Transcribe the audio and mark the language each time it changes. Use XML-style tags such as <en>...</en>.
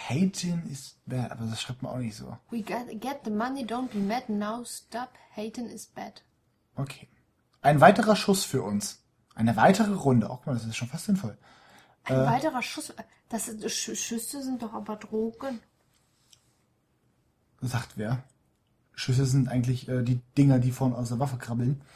<en>Hatein ist bad,</en> <de>aber das schreibt man auch nicht so.</de> <en>We get the money, don't be mad now, stop, Hatein is bad. Okay.</en> <de>Ein weiterer Schuss für uns. Eine weitere Runde. Oh, das ist schon fast sinnvoll. Ein weiterer Schuss? Das ist, Schüsse sind doch aber Drogen. Sagt wer? Schüsse sind eigentlich die Dinger, die vorne aus der Waffe krabbeln.</de>